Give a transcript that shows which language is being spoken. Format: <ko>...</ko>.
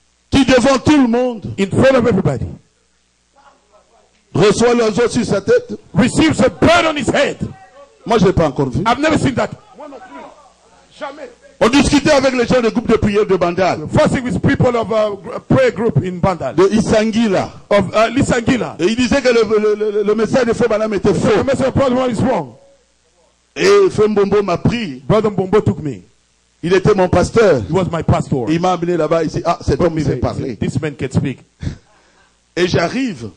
<fr>Qui devant tout le monde?</fr> <en>In front of everybody.</en> <fr>reçoit le joug sur sa tête,</fr> <en>receives a burden on his head.</en> <fr>Moi, je l'ai pas encore vu.</fr> <en>I've never seen that.</en> <fr>Moi non plus. Jamais. On discutait avec les gens du groupe de prière de Bandal.</fr> <en>Fussing with people of a prayer group in Bandal.</en> <fr>De Isangila.</fr> <en>Of Lisangila.</en> <fr>Et il disait que le message de Frère Branham était faux.</fr> <en>The message of Brother Branham is wrong.</en> <fr>Et Frère Mbombo m'a pris.</fr> <en>Brother Mbombo took me.</en> <fr>Il était mon pasteur.</fr> <en>He was my pastor.</en> <fr>Il m'a amené là-bas. Il dit, ah, cet homme sait parler.</fr> <en>This man can speak.</en> <fr>Et j'arrive.</fr>